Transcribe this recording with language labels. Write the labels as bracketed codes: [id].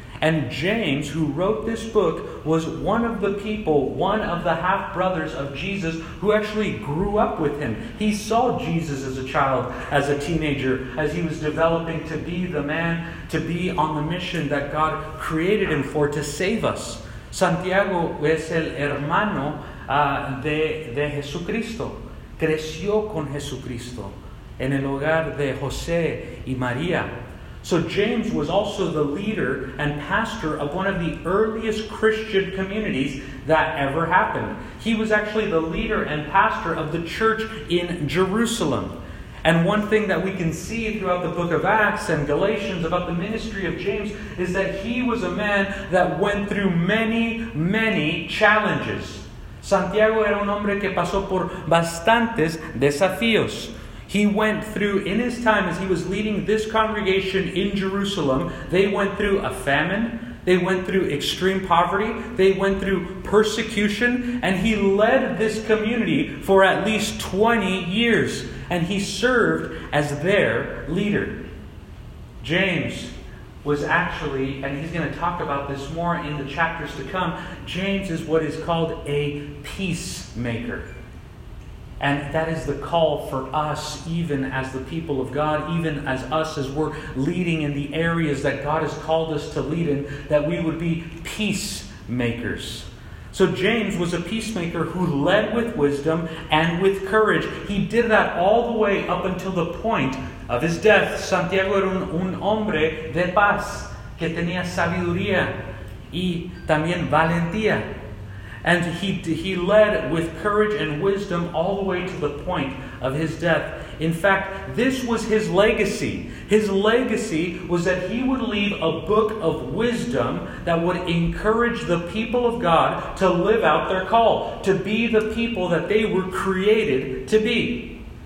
[en] And James, who wrote this book, was one of the people, one of the half-brothers of Jesus, who actually grew up with him. He saw Jesus as a child, as a teenager, as he was developing to be the man, to be on the mission that God created him for, to save us. [es] Santiago es el hermano de Jesucristo. Creció con Jesucristo en el hogar de José y María. [en] So James was also the leader and pastor of one of the earliest Christian communities that ever happened. He was actually the leader and pastor of the church in Jerusalem. And one thing that we can see throughout the book of Acts and Galatians about the ministry of James is that he was a man that went through many, many challenges. [es] Santiago era un hombre que pasó por bastantes desafíos. [en] He went through, in his time as he was leading this congregation in Jerusalem, they went through a famine, they went through extreme poverty, they went through persecution, and he led this community for at least 20 years, and he served as their leader. James was actually, and he's going to talk about this more in the chapters to come, James is what is called a peacemaker. And that is the call for us, even as the people of God, even as us as we're leading in the areas that God has called us to lead in, that we would be peacemakers. So James was a peacemaker who led with wisdom and with courage. He did that all the way up until the point of his death. [es] Santiago era un hombre de paz, que tenía sabiduría y también valentía. [en] And he led with courage and wisdom all the way to the point of his death. In fact, this was his legacy. His legacy was that he would leave a book of wisdom that would encourage the people of God to live out their call, to be the people that they were created to be.